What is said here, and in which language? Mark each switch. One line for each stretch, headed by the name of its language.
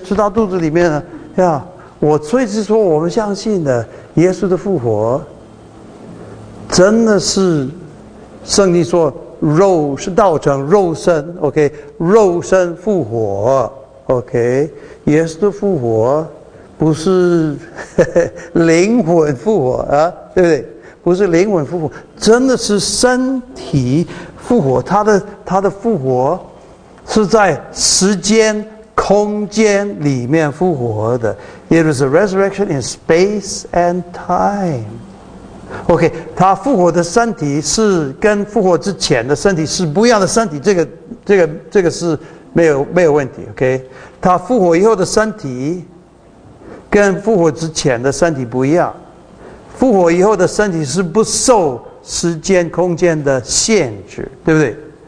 Chinese: 吃到肚子里面了呀！我所以是说，我们相信的耶稣的复活，真的是圣经说肉是道成肉身 ，OK， 肉身复活 ，OK， 耶稣的复活不是灵魂复活啊，对不对？不是灵魂复活，真的是身体复活。他的复活是在时间空间里面复活的。
English: It is a resurrection in space and time.
Chinese: OK， 他复活的身体是跟复活之前的身体是不一样的身体，这个是没有问题。OK， 他复活以后的身体跟复活之前的身体不一样。复活以后的身体是不受时间空间的限制，对不对？